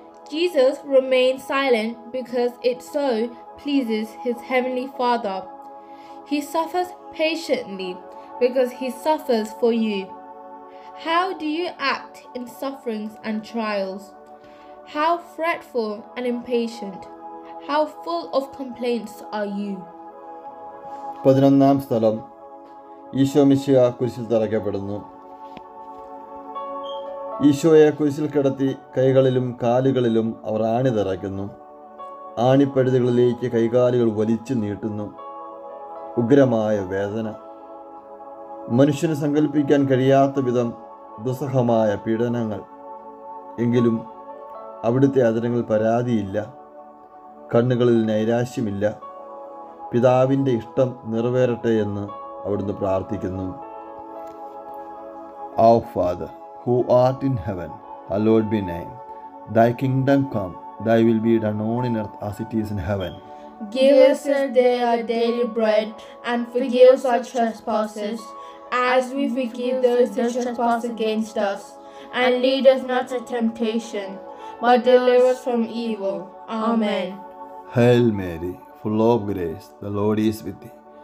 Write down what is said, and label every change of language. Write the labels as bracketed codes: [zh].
[en] Jesus remains silent because it so pleases his heavenly Father. He suffers patiently because he suffers for you. How do you act in sufferings and trials? How fretful and impatient? How full of complaints are you? [ml] 11th സ്ഥലം ഈശോമിശിഹ കുരിശിൽ തറയ്ക്കപ്പെടുന്നു. ഈശോയെ കുരിശിൽ കിടത്തി കൈകളിലും കാലുകളിലും അവർ ആണി തറയ്ക്കുന്നു. ആണിപ്പഴുതുകളിലേക്ക് കൈകാലുകൾ വലിച്ചു നീട്ടുന്നു. ഉഗ്രമായ വേദന, മനുഷ്യന് സങ്കല്പിക്കാൻ കഴിയാത്ത വിധം ദുസ്സഹമായ പീഡനങ്ങൾ. എങ്കിലും അവിടുത്തെ അധരങ്ങൾ പരാതിയില്ല, കണ്ണുകളിൽ നൈരാശ്യമില്ല. പിതാവിൻ്റെ ഇഷ്ടം നിറവേറട്ടെ എന്ന് അവിടുന്ന് പ്രാർത്ഥിക്കുന്നു. [en] Our father who art in heaven, hallowed be name, thy kingdom come, thy will be done on in earth as it is in heaven. Give us this day our daily bread, and forgive us our trespasses, as we forgive those who trespass against us. And lead us not into temptation, but deliver us from evil. Amen. Hail Mary, full of grace, the Lord is with thee.